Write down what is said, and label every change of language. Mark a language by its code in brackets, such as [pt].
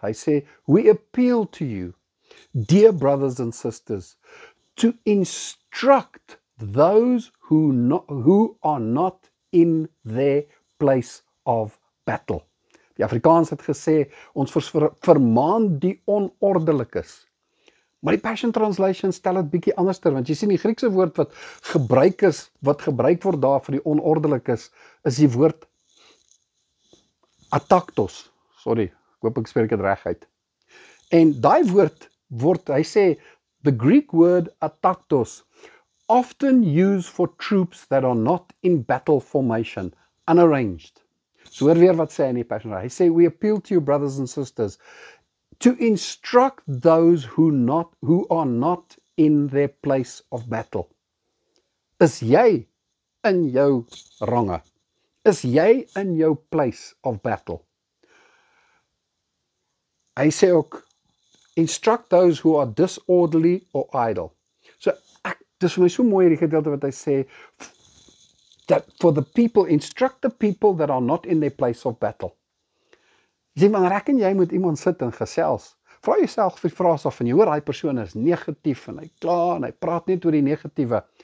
[af] Hy sê, [en] "We appeal to you, dear brothers and sisters, to instruct those who are not in their place of battle." [af] Die Afrikaans het gesê, ons vermaan die onordelikes. Maar die Passion Translation stel het bietjie anderster, want jy sien die Griekse woord wat gebruik is, wat gebruik word daar vir die onordelikes, is die woord ataktos. Sorry, ek hoop ek spreek het reg uit. En die woord word, hy sê, [en] the Greek word ataktos, often used for troops that are not in battle formation, unarranged. [af] So hoor weer wat sê in die Passion Translation. Hy sê, [en] we appeal to you brothers and sisters, to instruct those who are not in their place of battle. [af] Is jy in jou range? Is jy in jou [en] place of battle? [af] Hy sê ook, [en] instruct those who are disorderly or idle. [af] So, dis vir my so mooi die gedeelte wat hy sê, [en] that for the people, instruct the people that are not in their place of battle. [af] Sê, maar ek en jy moet iemand sit en gesels. Vra jyself die vraag af en jy hoor, hy persoon is negatief en hy kla en hy praat net oor die negatieve.